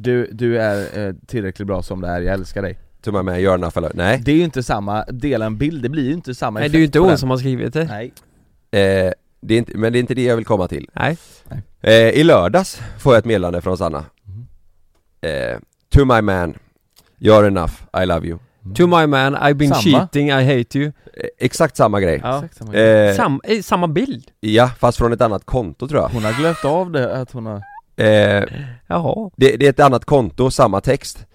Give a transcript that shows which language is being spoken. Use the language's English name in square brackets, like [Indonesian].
[Swedish] Du är tillräckligt bra som det är, jag älskar dig. Med, gör för, nej. Det är ju inte samma dela en bild, det blir ju inte samma effekt. Nej, det är ju inte hon som har skrivit det. Nej. Det är inte, men det är inte det jag vill komma till. Nej. I lördags får jag ett meddelande från Sanna. [English] To my man, you're enough, I love you. To my man, I've been cheating, I hate you. [Swedish] Exakt samma grej. Ja. Samma bild. Ja, fast från ett annat konto tror jag. Hon har glömt av det att hon har... Jaha. Det är ett annat konto, samma text.